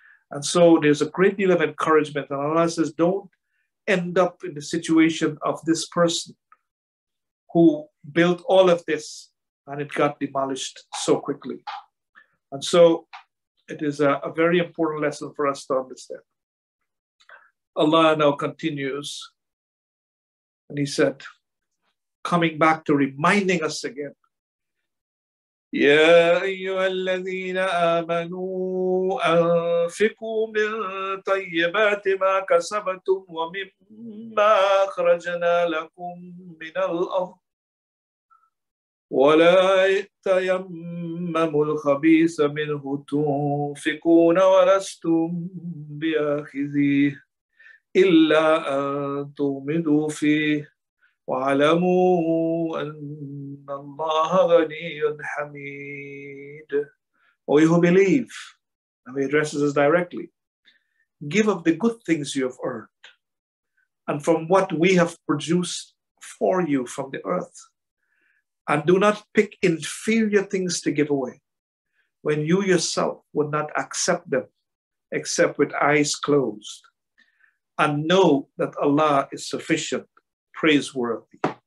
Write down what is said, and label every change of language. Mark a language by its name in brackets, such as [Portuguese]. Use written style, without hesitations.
[English] And so there's a great deal of encouragement. And Allah says, don't end up in the situation of this person who built all of this and it got demolished so quickly. And so it is a very important lesson for us to understand. Allah now continues and he said, coming back to reminding us again, [Arabic] يا أيها الذين آمنوا أنفقوا من طيبات ما كسبتم ومما أخرجنا لكم من الأرض ولا تيمموا الخبيث منه تنفقون ولستم بآخذيه إلا أن تغمضوا فيه وَعَلَمُوا أَنَّ اللَّهَ غَنِيٌّ حَمِيدٌ. [English] O you who believe, now he addresses us directly, give of the good things you have earned and from what we have produced for you from the earth, and do not pick inferior things to give away when you yourself would not accept them except with eyes closed, and know that Allah is sufficient, praiseworthy.